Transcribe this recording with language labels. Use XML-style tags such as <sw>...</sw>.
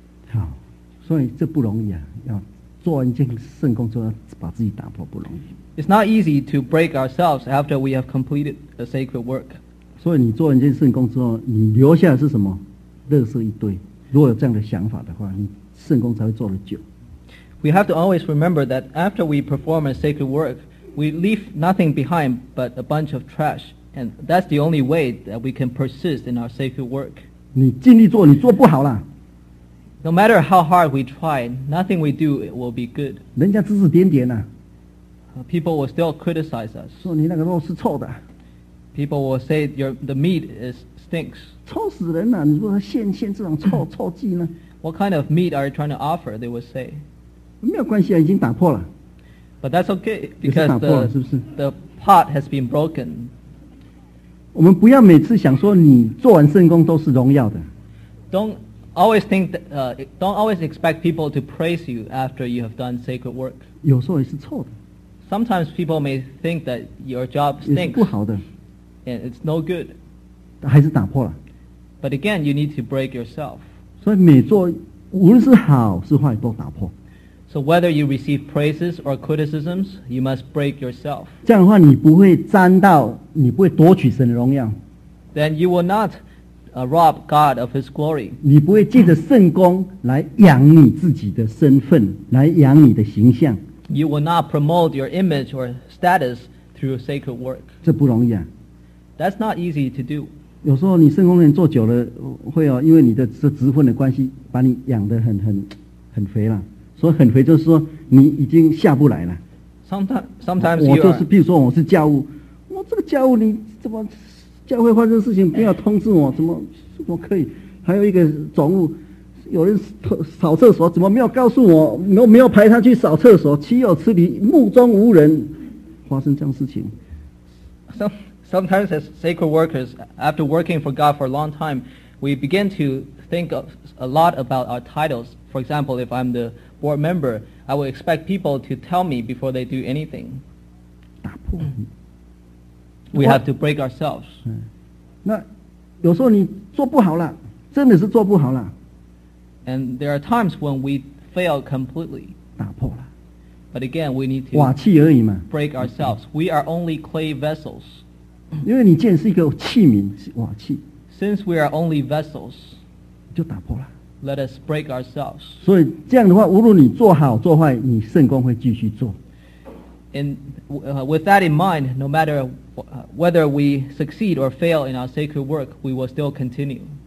<zh>好，所以这不容易啊，要做一件圣工作，把自己打破不容易。</zh> <en>It's not easy to break ourselves after we have completed a sacred work.</en> <zh>所以你做一件圣工之后，你留下的是什么？垃圾一堆。如果有这样的想法的话，你圣工才会做得久。</zh> <en>We have to always remember that after we perform a sacred work, we leave nothing behind but a bunch of trash. And that's the only way that we can persist in our sacred work.</en> <zh>你尽力做，你做不好啦。</zh> <en>No matter how hard we try, nothing we do will be good.</en> <zh>人家指指点点啊。</zh> <en>People will still criticize us.</en> <zh>说你那个肉是臭的。</zh> <en>People will say the meat stinks.</en> <zh>臭死人啊，你如果献这种臭臭祭呢？</zh> <en>What kind of meat are you trying to offer? They would say.</en> <zh>没有关系啊，已经打破了。</zh> <en>But that's okay because the pot has been broken.</en> <zh>我们不要每次想说你做完圣工都是荣耀的。</zh> <en>Don't always expect people to praise you after you have done sacred work.</en> <zh>有时候也是错的。</zh> <en>Sometimes people may think that your job stinks.</en> <zh>也是不好的。</zh> <en>And it's no good.</en> <zh>还是打破了。</zh> <en>But again, you need to break yourself.</en> <zh>所以每做无论是好是坏都打破。</zh> <en>So whether you receive praises or criticisms, you must break yourself.</en> <zh>这样的话你不会沾到，你不会夺取神的荣耀。</zh> <en>Then you will not rob God of His glory.</en> <zh>你不会借着圣工来养你自己的身份，来养你的形象。</zh> <en>You will not promote your image or status through sacred work.</en> <zh>这不容易啊。</zh> <en>That's not easy to do.</en> <zh>有时候你圣工人做久了，会哦，因为你的这职分的关系，把你养得很肥了。所以很肥就是说你已经下不来了。</zh> <en>Sometimes</en> <zh>我就是，比如说我是教务，我这个教务你怎么教会发生事情不要通知我，怎么可以？还有一个总务，有人扫厕所怎么没有告诉我？没有派他去扫厕所，岂有此理！目中无人，发生这样事情。</zh> <en>Sometimes as sacred workers, after working for God for a long time, we begin to think of a lot about our titles. For example, if I'm the board member, I will expect people to tell me before they do anything.</en> <zh>打破。</zh> <en>We have to break ourselves.</en> <zh>那有时候你做不好了，真的是做不好了。</zh> <en>And there are times when we fail completely.</en> <zh>打破了。</zh> <en>But again, we need to</en> <zh>瓦器而已嘛。</zh> <en>Break ourselves. We are only clay vessels.</en> <zh>因为你建是一个器皿，瓦器。</zh> <en>Since we are only vessels,</en> <zh>就打破了。</zh> <en>Let us break ourselves.</en> <zh>所以这样的话，无论你做好做坏，你圣工会继续做。</zh> <en>And with that in mind, no matter whether we succeed or fail in our sacred work, we will still continue.</en>